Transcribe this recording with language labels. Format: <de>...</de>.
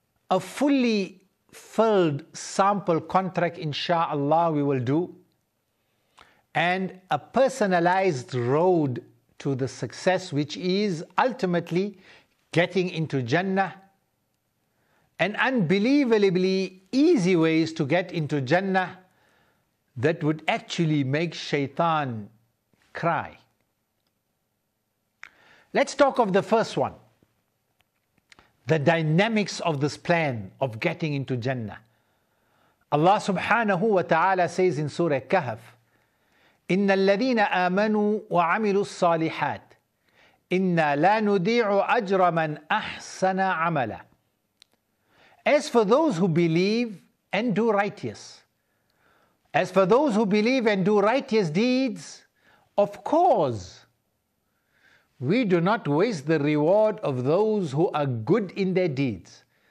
<en>a fully filled sample contract, inshallah, we will do, and a personalized road to the success, which is ultimately getting into Jannah, and unbelievably easy ways to get into Jannah that would actually make Shaitan cry. Let's talk of the first one. The dynamics of this plan of getting into Jannah. Allah subhanahu wa ta'ala says in Surah Kahf,</en> <ar>إِنَّ الَّذِينَ آمَنُوا وَعَمِلُوا الصَّالِحَاتِ إِنَّا لَا نُدِيعُ أَجْرَ مَنْ أَحْسَنَ عَمَلًا.</ar> <en>As for those who believe and do righteous, as for those who believe and do righteous deeds, of course, we do not waste the reward of those who are good in their deeds.</en>